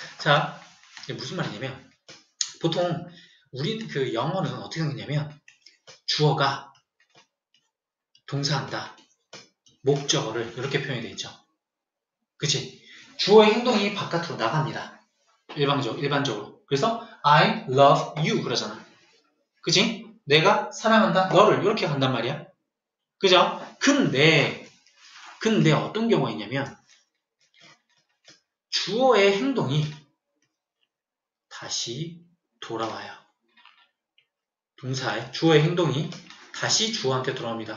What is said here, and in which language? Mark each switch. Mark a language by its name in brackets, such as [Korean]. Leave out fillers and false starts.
[Korean] 자, 이게 무슨 말이냐면, 보통, 우리 그 영어는 어떻게 생겼냐면, 주어가 동사한다. 목적어를 이렇게 표현이 되어 있죠. 그치? 주어의 행동이 바깥으로 나갑니다. 일반적으로. 그래서 [English] I love you [Korean] 그러잖아. 그치? 내가 사랑한다 너를 이렇게 간단 말이야. 그죠? 근데 어떤 경우가 있냐면 주어의 행동이 다시 돌아와요. 동사의 주어의 행동이 다시 주어한테 돌아옵니다.